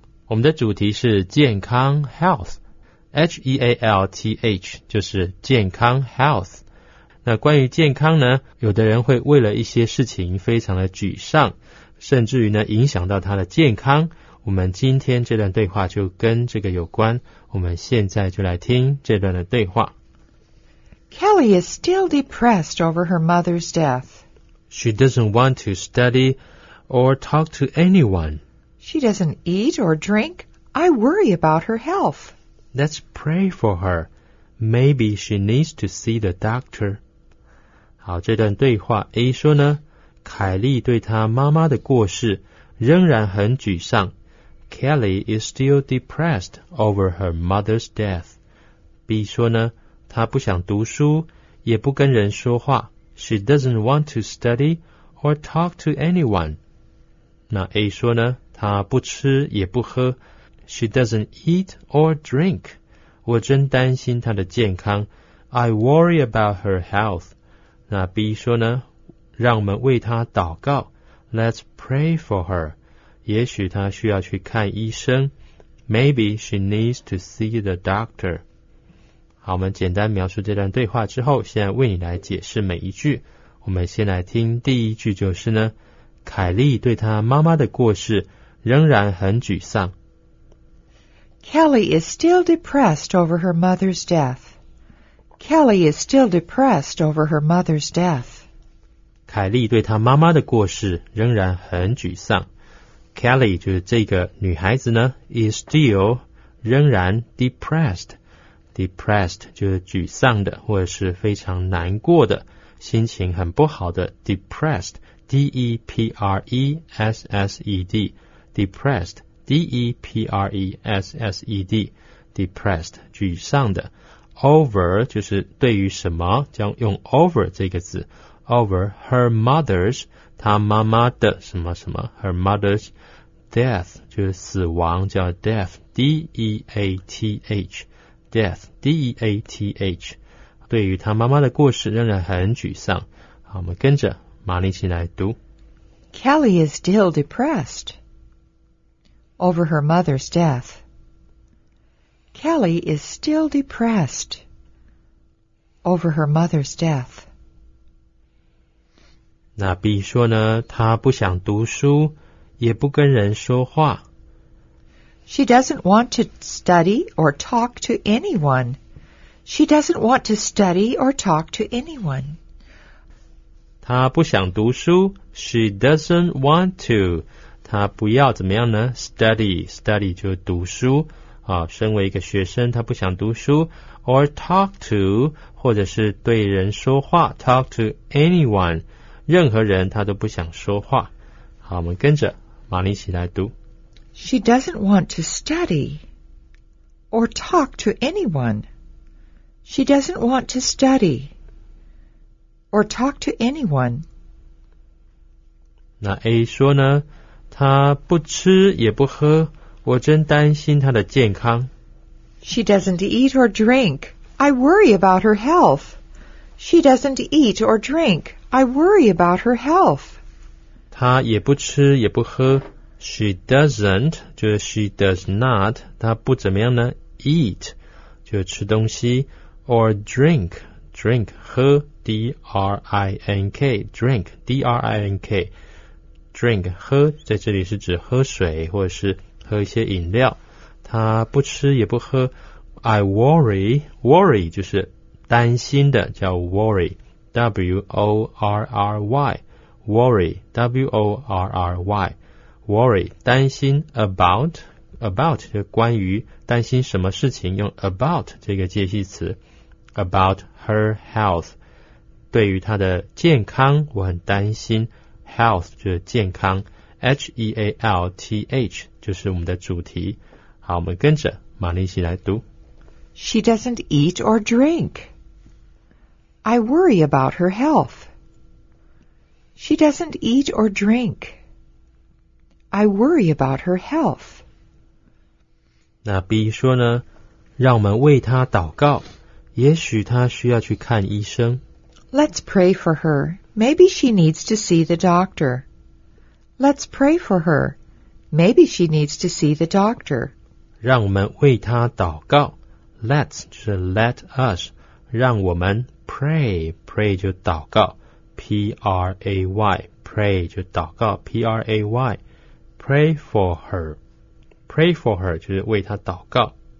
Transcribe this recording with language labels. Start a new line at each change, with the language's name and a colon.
Chinese: 我们的主题是健康 health, H-E-A-L-T-H, 就是健康 health。那关于健康呢，有的人会为了一些事情非常的沮丧，甚至于呢影响到他的健康。我们今天这段对话就跟这个有关，我们现在就来听这段的对话。
English: Kelly is still depressed over her mother's death. She doesn't want to study or talk to anyone. She doesn't eat or drink. I worry about her health. Let's pray for her. Maybe she needs to see the doctor.
Chinese: 好，这段对话 A 说呢，凯莉对她妈妈的过世仍然很沮丧。
English: Kelly is still depressed over her mother's death.
Chinese: B 说呢，她不想读书，也不跟人说话。
English: She doesn't want to study or talk to anyone.
Chinese: 那 A 说呢，她不吃也不喝。
English: She doesn't eat or drink.
Chinese: 我真担心她的健康。
English: I worry about her health.
Chinese: 那 B 说呢，让我们为她祷告。
English: Let's pray for her.
Chinese: 也许她需要去看医生。
English: Maybe she needs to see the doctor.
Chinese: 好，我们简单描述这段对话之后，现在为你来解释每一句。我们先来听第一句，就是呢，凯莉对她妈妈的过世仍然很沮丧。
English: Kelly is still depressed over her mother's death. Kelly is still depressed over her mother's death.
Chinese: 凯莉对她妈妈的过世仍然很沮丧。 Kelly 就是这个女孩子呢
English: is still
Chinese: 仍然 depressed depressed 就是沮丧的或者是非常难过的心情很不好的 depressed D-E-P-R-E-S-S-E-D depressed D-E-P-R-E-S-S-E-D depressed 沮丧的 over 就是对于什么将用 over 这个字
English: over her mother's
Chinese: 她妈妈的什么什么 her mother's death 就是死亡叫 death D-E-A-T-H death D-E-A-T-H 对于她妈妈的过世仍然很沮丧好我们跟着玛丽一起来读
English: Kelly is still depressed over her mother's death Kelly is still depressed over her mother's death
Chinese: 那 B 说呢她不想读书也不跟人说话
English: She doesn't want to study or talk to anyone She doesn't want to study or talk to anyone
Chinese: 她不想读书
English: She doesn't want to
Chinese: 她不要怎么样呢 Study Study 就是读书、啊、身为一个学生她不想读书
English: Or talk to
Chinese: 或者是对人说话
English: Talk to anyone
Chinese: 任何人他都不想说话。好，我们跟着玛丽一起来读。
English: She doesn't want to study or talk to anyone. She doesn't want to study or talk to anyone.
Chinese: 那 A 说呢，他不吃也不喝，我真担心他的健康。
English: She doesn't eat or drink. I worry about her health. She doesn't eat or drink. I worry about her health.
Chinese: 她也不吃也不喝。 She doesn't, 就是
English: she does not,
Chinese: 她不怎么样呢 ,eat, 就是吃东西。 Or drink, drink, 喝 ,D-R-I-N-K, drink, D-R-I-N-K, drink, 喝在这里是指喝水或者是喝一些饮料。她不吃也不喝。 I worry, worry 就是担心的叫 worry。W-O-R-R-Y worry, W-O-R-R-Y, worry, 担心 about, about 就关于担心什么事情，用 about 这个介系词
English: about her health,
Chinese: 对于她的健康我很担心， health 就是健康， H-E-A-L-T-H 就是我们的主题。好，我们跟着玛丽一起来读。
English: She doesn't eat or drink. I worry about her health. She doesn't eat or drink. I worry about her health.
Chinese: 那 B 说呢，让我们为她祷告，也许她需要去看医生。
English: Let's pray for her. Maybe she needs to see the doctor. Let's pray for her. Maybe she needs to see the doctor.
Chinese: 让我们为他祷告。 Let's 就是
English: let us,
Chinese: 让我们 pray, pray 就祷告 ,P-R-A-Y, pray 就祷告 ,P-R-A-Y,
English: pray for her, pray for her
Chinese: 就是为他祷告。